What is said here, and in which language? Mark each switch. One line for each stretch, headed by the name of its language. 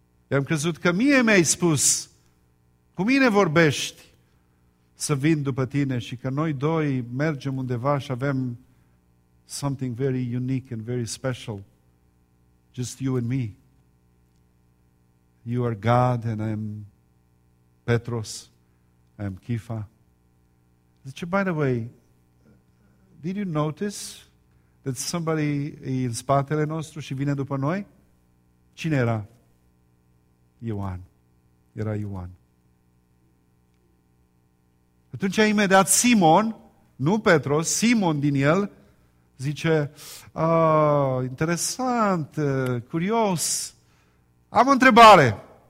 Romanian: I-am crezut că mie mi-ai spus, cu mine vorbești, să vin după tine și că noi doi mergem undeva și avem
English: something very unique and very special, just you and me. You are God and I am Petros, I am Kifa. Zice, by the way, did you notice that somebody
Romanian: e în spatele nostru și vine după noi? Cine era? Ioan. Era Ioan. Atunci imediat Simon, nu Petros, Simon din el, zice, oh, interesant, curios, am o întrebare.